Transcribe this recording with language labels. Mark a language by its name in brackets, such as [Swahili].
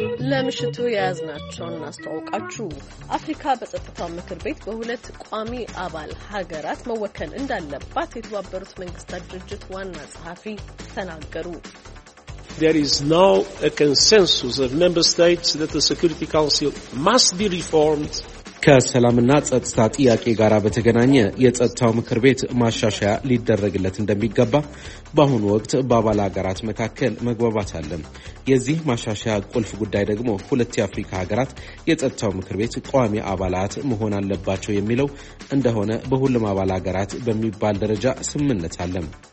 [Amharic] ለምሽቱ የያዝናቸውን እናስተዋውቃችሁ። አፍሪካ በጸጥታው ምክር ቤት በሁለት ቋሚ አባል ሀገራት መወከል እንዳለባት የተባበሩት መንግስታት ድርጅት ዋና ጸሐፊ ተናገሩ። [English] There is now a consensus of member states that the Security Council must be reformed. [Amharic] ከሰላምና ጸጥታ ጥያቄ ጋር በተገናኘ የጸጥታው ምክር ቤት ማሻሻያ ሊደረግለት እንደሚገባ በአሁኑ ወቅት በአባል ሀገራት መካከል መግባባት አለ። የዚህ ማሻሻያ ቁልፍ ጉዳይ ደግሞ ሁለት የአፍሪካ ሀገራት የጸጥታው ምክር ቤት ቋሚ አባላት መሆን አለባቸው የሚለው እንደሆነ በሁሉም አባል ሀገራት በሚባል ደረጃ ስምምነት አለ።